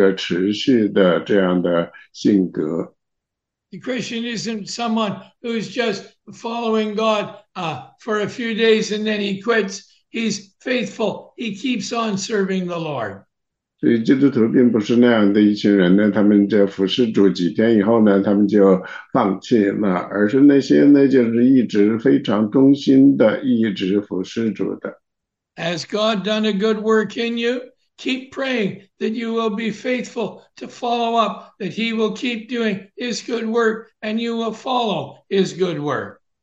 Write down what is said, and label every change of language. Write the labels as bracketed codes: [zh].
[zh] 所以呢，这个对基督徒来说是非常重要的，他们要有一个持续的这样的性格。 [en] The Christian isn't someone who's just following God for a few days and then he quits. He's faithful. He keeps on serving the Lord. [zh] 所以基督徒并不是那样的一群人呢，他们就服侍主几天以后呢，他们就放弃了，而是那些呢，就是一直非常忠心的，一直服侍主的。 [en] Has God done a good work in you? Keep praying that you will be faithful to follow up, that he will keep doing his good work and you will follow his good work.